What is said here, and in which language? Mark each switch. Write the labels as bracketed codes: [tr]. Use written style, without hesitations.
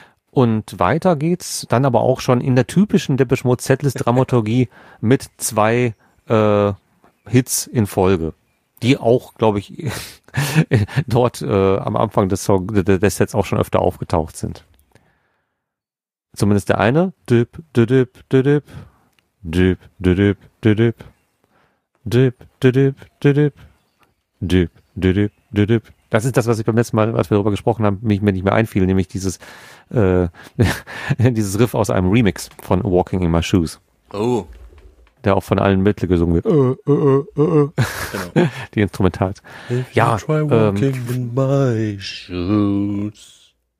[de] Und weiter geht's dann aber auch schon in der typischen Depeche Mode Setlist-Dramaturgie mit 2 Hits in Folge. Die auch, glaube ich, dort am Anfang des Sets auch schon öfter aufgetaucht sind. Zumindest der eine. Dip, dip, dip, dip, dip, dip, dip, dip, dip, dip, dip, dip, dip. Das ist das, was ich beim letzten Mal, als wir darüber gesprochen haben, mir nicht mehr einfiel, nämlich dieses Riff aus einem Remix von Walking in My Shoes. Oh. Der auch von allen Mittel gesungen wird. Genau. Die Instrumental. If ja. [en] Try walking in my shoes.